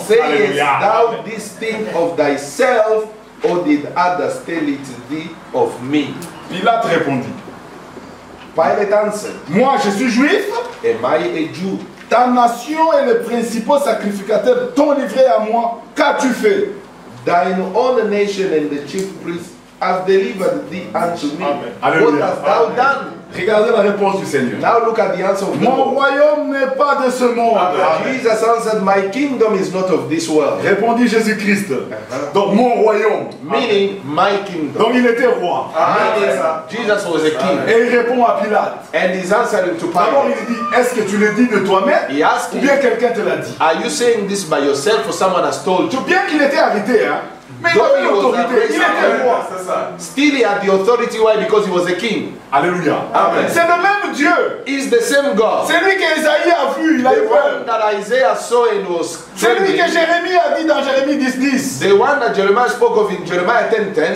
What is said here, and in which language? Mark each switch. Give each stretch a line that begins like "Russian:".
English: Sayest thou this thing of thyself or did others tell it thee of me?
French: Pilate répondit.
English: Pilate answered,
French: moi je suis juif.
English: Am I a Jew?
French: Ta nation et les principaux sacrificateurs t'ont livré à moi. Qu'as-tu fait?
English: Thine own nation and the chief priests have delivered thee unto me. Amen. What hast thou done?
French: Regardez la réponse du Seigneur.
English: Now look at the answer of the
French: Lord. Mon royaume n'est pas de ce monde. Amen.
English: Jesus answered, my kingdom is not of this world.
French: Répondit Jésus-Christ. Donc mon royaume.
English: Meaning my kingdom.
French: Donc il était roi.
English: Amen. Jesus was a king.
French: Et il répond à Pilate.
English: And he's answering to Pilate.
French: Alors il dit, est-ce que tu le dis de toi-même?
English: He asked
French: ou bien him, quelqu'un te l'a dit?
English: Are you saying this by yourself or someone has told you?
French: Tout bien qu'il était arrêté, hein? Mais il avait l'autorité, il était roi.
English: Still he had the authority, why? Because he was a king. Alléluia. Amen.
French: C'est le même Dieu.
English: He's the same God.
French: C'est lui que Isaïe a vu, il a eu peur.
English: The one that Isaiah saw and was trembling.
French: C'est lui que Jérémie a dit dans Jérémie 10:10.
English: The one that Jeremiah spoke of in Jeremiah 10:10.